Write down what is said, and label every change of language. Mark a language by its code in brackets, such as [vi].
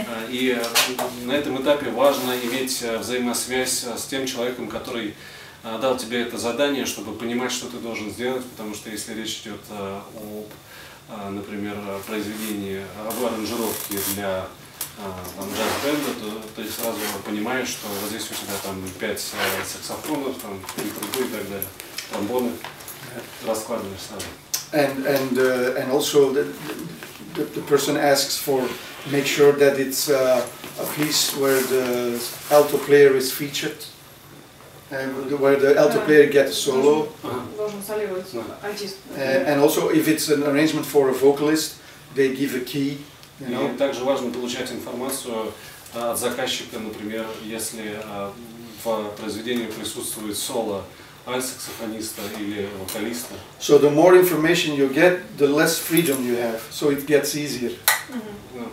[ru] и на этом этапе важно иметь взаимосвязь с тем человеком, который дал тебе это задание, чтобы понимать, что ты должен сделать, потому что если речь идет об, например, произведении, об аранжировке для джаз-бенда, то ты сразу понимаешь, что вот здесь у тебя там пять саксофонов, там и трубы и так далее, тромбоны, раскладываешь сразу. [en] And also the person asks for make sure that it's a piece where the alto player is featured and where the alto player gets a solo. And also if it's an arrangement for a vocalist, they give a key. You know? [ru] И также важно получать информацию от заказчика, например, если в произведении присутствует соло альтсаксофониста или вокалиста. [en] So the more information you get, the less freedom you have. So it gets easier. Mm-hmm.